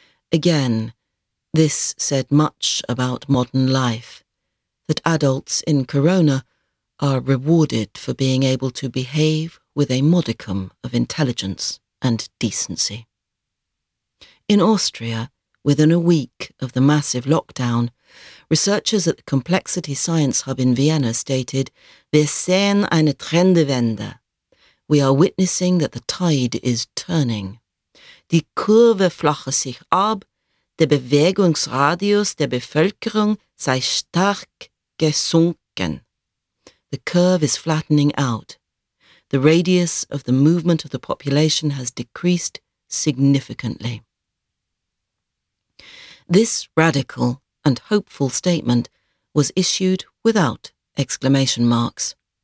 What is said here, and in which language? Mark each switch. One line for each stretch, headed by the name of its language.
English: Again, this said much about modern life, that adults in Corona are rewarded for being able to behave with a modicum of intelligence and decency. In Austria, within a week of the massive lockdown, researchers at the Complexity Science Hub in Vienna stated,
German: "Wir sehen eine Trendwende."
English: We are witnessing that the tide is turning.
German: Die Kurve flache sich ab, der Bewegungsradius der Bevölkerung sei stark gesunken.
English: The curve is flattening out. The radius of the movement of the population has decreased significantly. This radical and hopeful statement was issued without exclamation marks.